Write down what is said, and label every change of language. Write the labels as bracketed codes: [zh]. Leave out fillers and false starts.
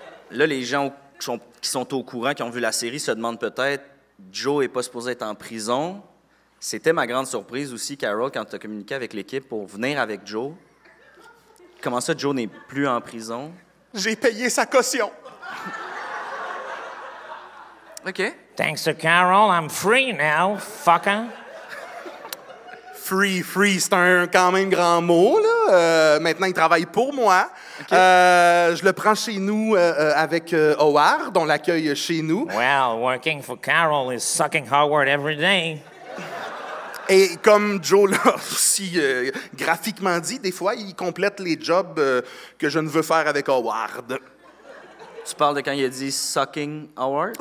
[fr] Là, les gens qui sont au courant, qui ont vu la série, se demandent peut-être, Joe n'est pas supposé être en prison. C'était ma grande surprise aussi, Carol, quand tu as communiqué avec l'équipe pour venir avec Joe. Comment ça, Joe n'est plus en prison? J'ai payé sa caution. OK. [en] Thanks to Carol, I'm free now, fucker. [fr] Free, c'est un quand même grand mot, là. Maintenant, il travaille pour moi. Okay. Je le prends chez nous avec Howard, on l'accueille chez nous. [en] Well, working for Carol is sucking Howard every day. [fr] Et comme Joe l'a aussi graphiquement dit, des fois, il complète les jobs que je ne veux faire avec Howard. Tu parles de quand il a dit « [en] sucking Howard » ?